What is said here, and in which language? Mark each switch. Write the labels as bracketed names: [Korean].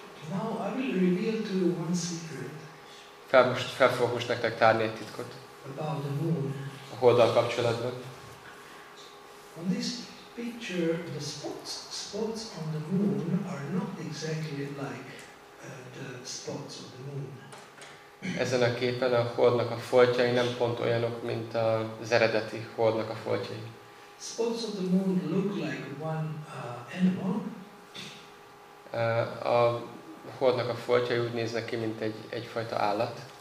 [English] Now I will reveal to you one secret. [Hungarian] Fel fogok most nektek tárni egy titkot. [English] About the moon. [Hungarian] A holddal kapcsolatban. [English] On this picture, the spots on the moon are not exactly like the spots of the moon. [Hungarian] Ezen a képen a holdnak a foltjai nem pont olyanok, mint az eredeti holdnak a foltjai. [English] Spots of the moon look like one animal. [Hungarian] A holdnak a foltjai úgy néznek ki, mint egyfajta állat.